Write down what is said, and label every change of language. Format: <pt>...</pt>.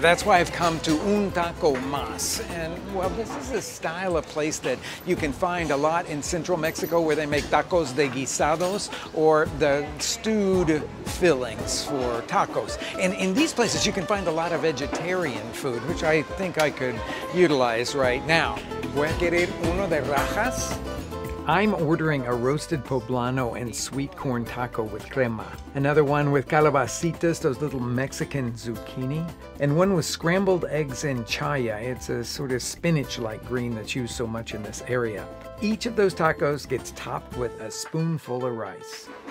<en>That's why I've come to Un Taco Mas, and well, this is a style of place that you can find a lot in central Mexico where they make tacos de guisados, or the stewed fillings for tacos. And in these places, you can find a lot of vegetarian food, which I think I could utilize right now.</en> <es>¿Voy a querer uno de rajas?</es> <en>I'm ordering a roasted poblano and sweet corn taco with crema, another one with calabacitas, those little Mexican zucchini, and one with scrambled eggs and chaya. It's a sort of spinach-like green that's used so much in this area. Each of those tacos gets topped with a spoonful of rice.</en>